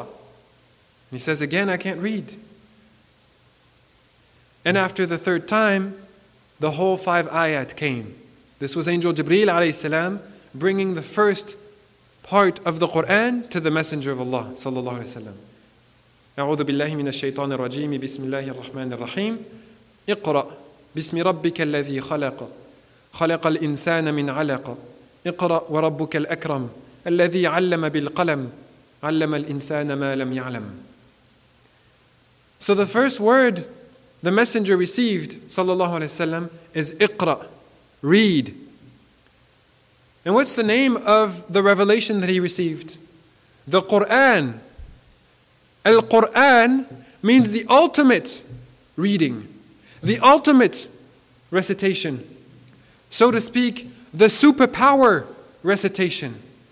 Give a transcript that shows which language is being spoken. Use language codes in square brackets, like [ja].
[en] And he says, "Again, I can't read." And after the third time, the whole five ayat came. This was Angel Jibreel alayhi salam bringing the first part of the Quran to the Messenger of Allah sallallahu alayhi wa sallam. [ar] أعوذ بالله من الشيطان الرجيم بسم الله الرحمن الرحيم اقرأ بسم ربك الذي خلق خلق الإنسان من علق اقرأ وربك الأكرم الذي علم بالقلم علم الإنسان ما لم يعلم. [en] So the first word the messenger received sallallahu alaihi wasallam is اقرأ, read. And what's the name of the revelation that he received? The Quran. Al-Qur'an means the ultimate reading, the ultimate recitation, so to speak, the superpower recitation.